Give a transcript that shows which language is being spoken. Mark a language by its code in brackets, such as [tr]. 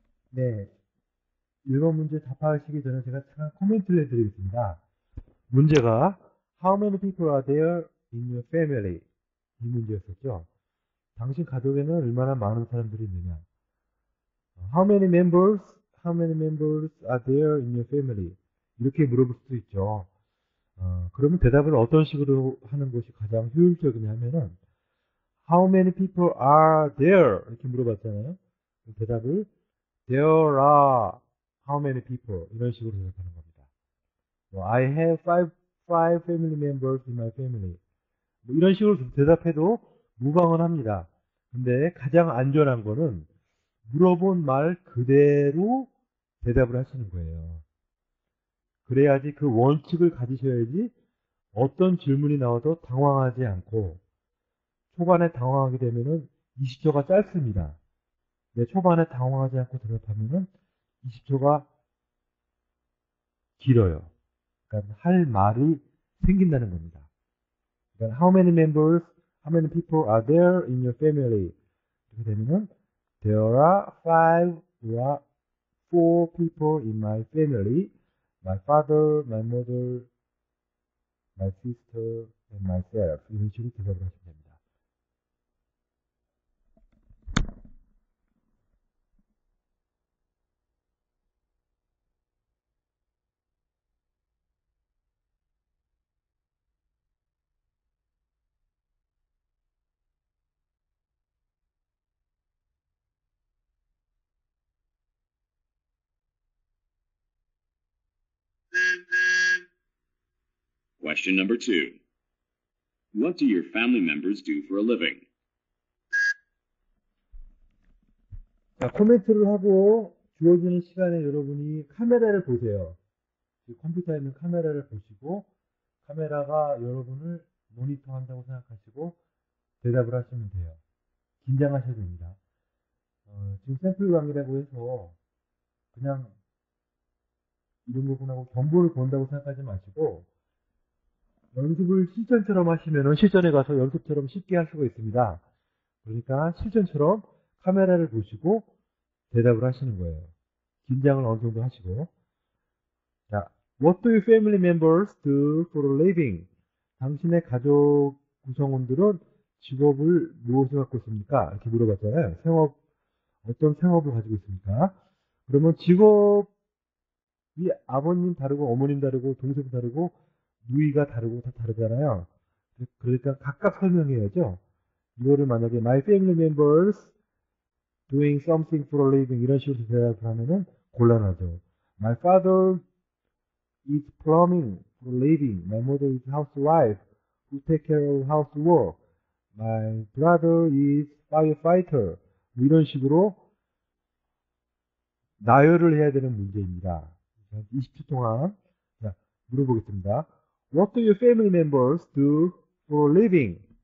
[ko] 네. 이번 문제 답하시기 전에 제가 잠깐 코멘트를 해드리겠습니다. 문제가 [en] How many people are there in your family? [ko] 이 문제였었죠. 당신 가족에는 얼마나 많은 사람들이 있느냐? [en] How many members are there in your family? [ko] 이렇게 물어볼 수도 있죠. 그러면 대답을 어떤 식으로 하는 것이 가장 효율적이냐면은 [en] How many people are there? [ko] 이렇게 물어봤잖아요. 대답을 [en] There are how many people? [ko] 이런 식으로 대답하는 겁니다. 뭐, [en] I have five family members in my family. [ko] 뭐 이런 식으로 대답해도 무방은 합니다. 근데 가장 안전한 거는 물어본 말 그대로 대답을 하시는 거예요. 그래야지 그 원칙을 가지셔야지 어떤 질문이 나와도 당황하지 않고 초반에 당황하게 되면은 20초가 짧습니다. 네, 초반에 당황하지 않고 대답하면은 20초가 길어요. 그러니까 할 말이 생긴다는 겁니다. 그러니까 [en] how many people are there in your family? [ko] 이렇게 되면은 [en] there are four people in my family. My father, my mother, my sister, and myself. [ko] 이런 식으로 대답을 하시면 됩니다. [en] Question number two. What do your family members do for a living? [ko] 자, 코멘트를 하고 주어지는 시간에 여러분이 카메라를 보세요. 컴퓨터에 있는 카메라를 보시고 카메라가 여러분을 모니터한다고 생각하시고 대답을 하시면 돼요. 긴장하셔도 됩니다. 지금 샘플 강의라고 해서 그냥 이런 부분하고 전부를 본다고 생각하지 마시고 연습을 실전처럼 하시면은 실전에 가서 연습처럼 쉽게 할 수가 있습니다. 그러니까 실전처럼 카메라를 보시고 대답을 하시는 거예요. 긴장을 어느 정도 하시고. 자, [en] What do your family members do for a living? [ko] 당신의 가족 구성원들은 직업을 무엇을 갖고 있습니까? 이렇게 물어봤잖아요. 어떤 생업을 가지고 있습니까? 그러면 직업이 아버님 다르고 어머님 다르고 동생 다르고 누이가 다르고 다 다르잖아요. 그러니까 각각 설명해야죠. 이거를 만약에 [en] My family members doing something for a living [ko] 이런 식으로 대답을 하면은 곤란하죠. [en] My father is plumbing for a living. My mother is housewife who take care of housework. My brother is firefighter. [ko] 뭐 이런 식으로 나열을 해야 되는 문제입니다. 20초 동안 물어보겠습니다. [en] What do your family members do for a living?